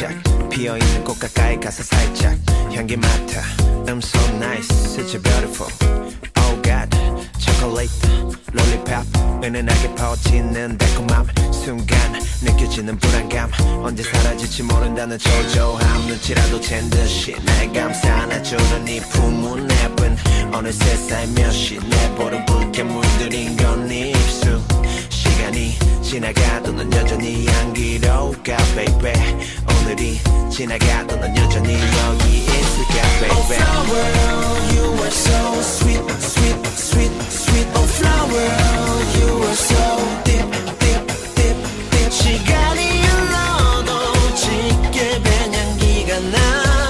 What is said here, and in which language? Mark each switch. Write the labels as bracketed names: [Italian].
[English] I'm so nice, such a beautiful. Oh God, chocolate, lollipop. [Korean] 은은하게 퍼지는 달콤함. 순간 느껴지는 불안감. 언제 사라질지 모른다는 초조함. 눈치라도 챈 듯이 날 감싸놔주는 이 품은 예쁜. 어느새 살며시 내 보름 붉게 물들인 건 입술. 시간이 지나가도 넌 여전히 향기로울까 baby. 오늘이 지나가도 넌 여전히 여기 있을까 baby. [English] Oh flower, you are so sweet, sweet, sweet, sweet. Oh flower, you are so deep, deep, deep, deep. [Korean] 시간이 흘러도 짙게 밴 향기가 나.